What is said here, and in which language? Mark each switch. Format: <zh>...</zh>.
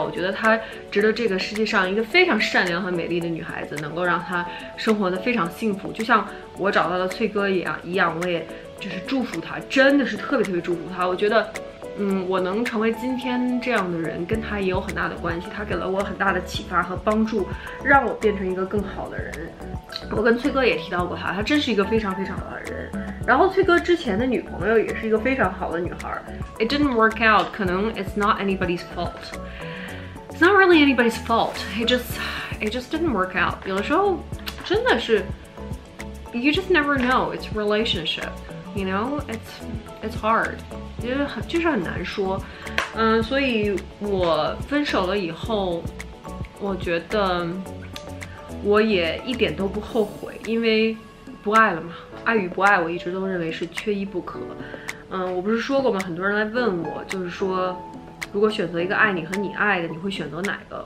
<zh>我觉得他值得这个世界上一个非常善良和美丽的女孩子能够让他生活得非常幸福，就像我找到了翠哥一样，我也就是祝福他，真的是特别特别祝福他。我觉得我能成为今天这样的人跟他也有很大的关系，他给了我很大的启发和帮助，让我变成一个更好的人。我跟翠哥也提到过他真是一个非常非常好的人。然后翠哥之前的女朋友也是一个非常好的女孩。</zh> <en>It didn't work out，</en> <zh>可能</zh> <en>it's not anybody's fault， It's not really anybody's fault， It just didn't work out。</en> <zh>有的时候真的是</zh> <en>You just never know， It's relationship， You know， It's hard，</en> <zh>就是很难说。所以我分手了以后，我觉得我也一点都不后悔，因为不爱了嘛，爱与不爱我一直都认为是缺一不可。我不是说过吗，很多人来问我，就是说如果选择一个爱你和你爱的，你会选择哪个？</zh>